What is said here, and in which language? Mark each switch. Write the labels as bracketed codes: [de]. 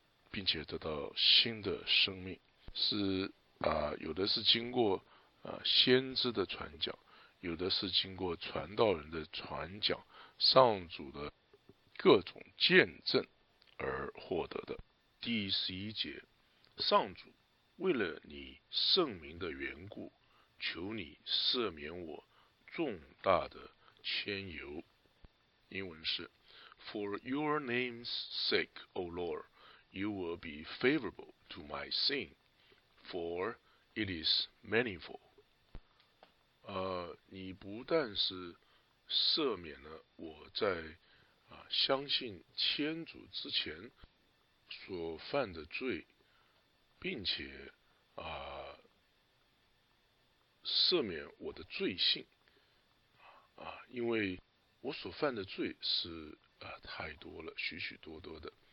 [zh] 并且得到新的生命，是有的是经过先知的传讲，有的是经过传道人的传讲，上主的各种见证而获得的。第11节，上主为了你圣名的缘故，求你赦免我重大的牵由。英文是 [en] For your name's sake, O Lord, you will be favorable to my sin, for it is manifold. [zh] 你不但是赦免了我在相信天主之前所犯的罪，并且赦免我的罪性因为我所犯的罪是太多了，许许多多的。